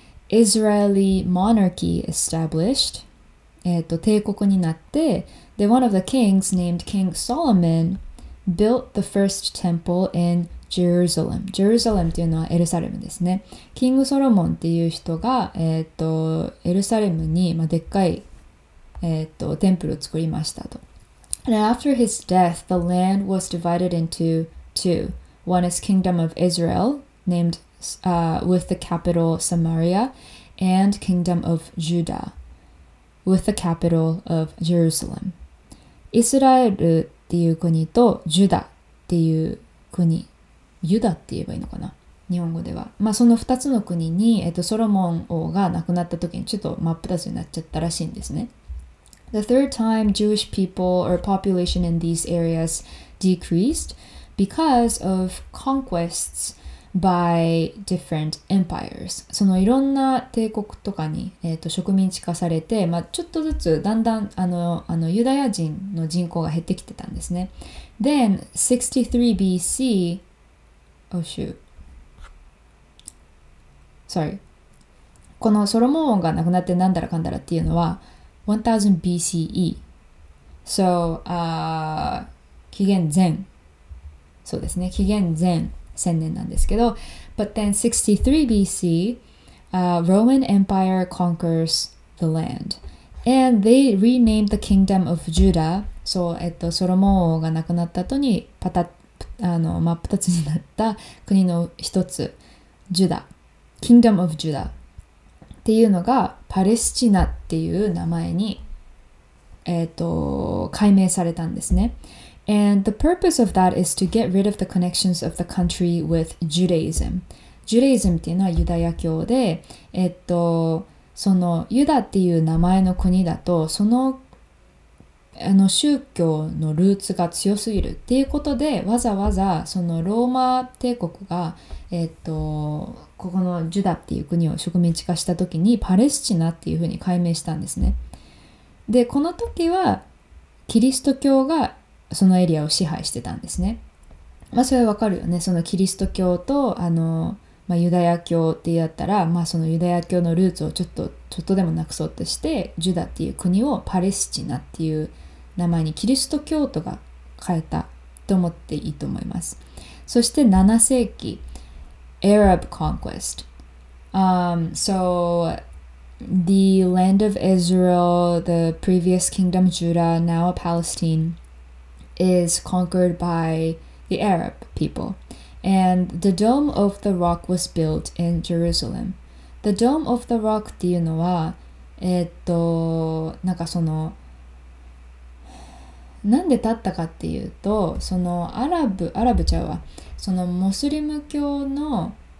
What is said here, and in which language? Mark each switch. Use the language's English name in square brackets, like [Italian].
[English] Israeli monarchy established、 [Japanese] 帝国になって、 [English] で、one of the kings named King Solomon built the first temple in Jerusalem. [Japanese] Jerusalem っていうのはエルサレムですね。キングソロモンっていう人が、エルサレムに、まあ、でっかい、テンプルを作りましたと。 [English] And after his death, the land was divided into two. One is Kingdom of Israel, named with the capital Samaria, and Kingdom of Judah, with the capital of Jerusalem. [Japanese] イスラエルっていう国とユダっていう国、ユダって言えばいいのかな、日本語では。まあその2つの国に、ソロモン王が亡くなった時にちょっと真っ二つになっちゃったらしいんですね。 [English] The third time Jewish people or population in these areas decreased,Because of conquests by different empires. [Japanese] そのいろんな帝国とかに、植民地化されて、まあ、ちょっとずつだんだんユダヤ人の人口が減ってきてたんですね。 [English] Then, 63 BC... Oh, shoot. Sorry. [Japanese] このソロモン王が亡くなってなんだらかんだらっていうのは 1000 BCE. So, 紀元前。そうですね、紀元前1000年なんですけど [English] But then 63 BC Roman Empire conquers the land. And they renamed the kingdom of Judah. [Japanese] So, ソロモン王が亡くなった後に、真っ二つになった国の一つ、ジュダ。 [English] Kingdom of Judah. [Japanese] っていうのが、パレスチナっていう名前に、改名されたんですね。 [English] And the purpose of that is to get rid of the connections of the country with Judaism. [Japanese] Judaism っていうのはユダヤ教で、そのユダっていう名前の国だと、その、宗教のルーツが強すぎるっていうことで、わざわざそのローマ帝国が、ここのジュダっていう国を植民地化した時にパレスチナっていうふうに改名したんですね。で、この時はキリスト教がそのエリアを支配してたんですね。まあそれはわかるよね。そのキリスト教とまあ、ユダヤ教ってやったら、まあ、そのユダヤ教のルーツをちょっとでもなくそうとして、ジュダっていう国をパレスチナっていう名前にキリスト教徒が変えたと思っていいと思います。そして7世紀、 [English] Arab conquest. So, the land of Israel, the previous kingdom Judah, now a Palestine, is conquered by the Arab people. And the Dome of the Rock was built in Jerusalem. [Japanese] The Dome of the Rock っていうのは、なんかその、なんで建ったかっていうと、そのアラブちゃうわ、そのモスリム教徒の